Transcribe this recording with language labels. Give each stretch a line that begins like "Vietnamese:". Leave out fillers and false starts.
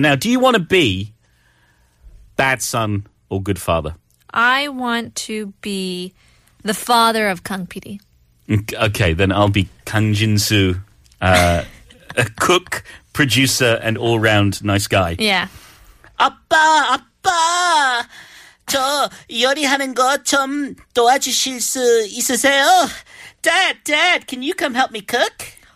English: Now, do you want to be bad son or good father? I want to be the father of Kang PD. Okay, then I'll be Kang Jin-soo, a cook, producer, and all-round nice guy. Yeah.
Korean: Appa, appa! 저 요리하는 거 좀 도와주실 수 있으세요?
English: Dad, Dad, can you come help me cook?